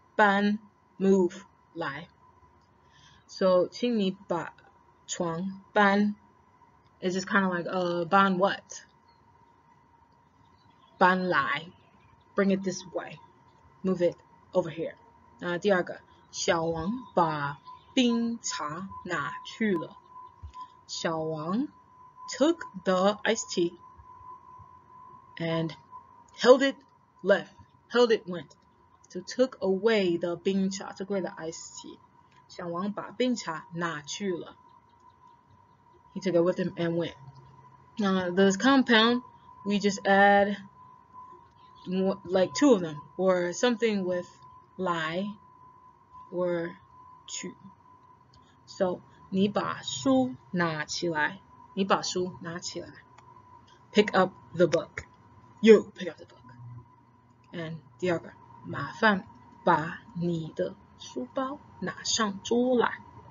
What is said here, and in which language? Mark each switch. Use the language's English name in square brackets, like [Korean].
[English] 搬, move, 来.So [Chinese] 请你把窗搬, [English] is just kind of like, 搬 what? [Chinese] 搬来. [English] Bring it this way, move it over here. [Chinese] 第二个, 小王把冰茶拿去了。 [English] 小王 took the iced tea and held it left, held it went. So took away the 冰茶, took away the iced tea. [Chinese] 小王把冰茶拿去了。 [English] He took it with him and went. Now this compound, we just add like two of them, or something with lie or 去. So [Chinese] 你把书拿起来, [English] pick up the book, you pick up the book. [Chinese] And 第二个, 麻烦把你的书包拿上桌来。